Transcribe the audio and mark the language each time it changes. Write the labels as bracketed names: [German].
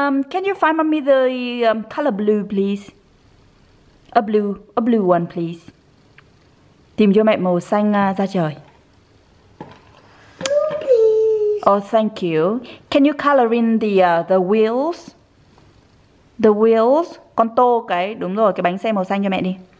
[English] Can you find mommy the color blue please? A blue one please. [Vietnamese] Tìm cho mẹ màu xanh da trời. [English] Oh, thank you. Can you color in the wheels? The wheels? [Vietnamese] Con tô cái, đúng rồi, cái bánh xe màu xanh cho mẹ đi.